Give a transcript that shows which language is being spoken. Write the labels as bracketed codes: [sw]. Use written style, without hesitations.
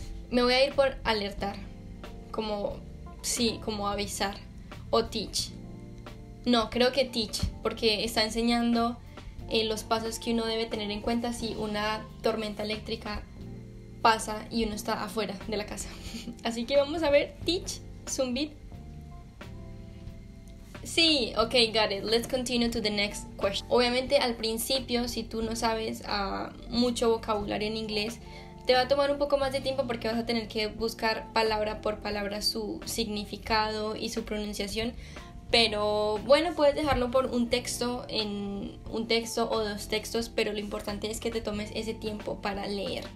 [es] Me voy a ir por alertar, como, sí, como avisar, o teach. No, creo que teach, porque está enseñando los pasos que uno debe tener en cuenta si una tormenta eléctrica pasa y uno está afuera de la casa. Así que vamos a ver, teach, zumbid. Sí, [en] ok, got it, let's continue to the next question. [es] Obviamente al principio, si tú no sabes mucho vocabulario en inglés, te va a tomar un poco más de tiempo porque vas a tener que buscar palabra por palabra su significado y su pronunciación. Pero bueno, puedes dejarlo por un texto, en un texto o dos textos, pero lo importante es que te tomes ese tiempo para leer.